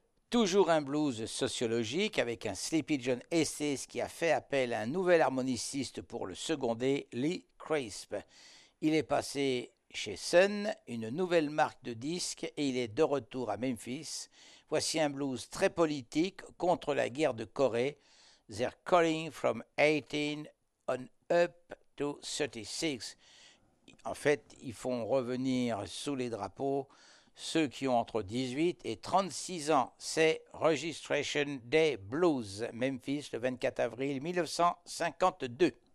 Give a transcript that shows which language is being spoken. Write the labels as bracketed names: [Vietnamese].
[French] Toujours un blues sociologique avec un Sleepy John Estes qui a fait appel à un nouvel harmoniciste pour le seconder, Lee Crisp. Il est passé chez Sun, une nouvelle marque de disques, et il est de retour à Memphis. Voici un blues très politique contre la guerre de Corée. [English] They're calling from 18 on up to 36. [French] En fait, ils font revenir sous les drapeaux ceux qui ont entre 18 et 36 ans. C'est Registration Day Blues, Memphis, le 24 avril 1952.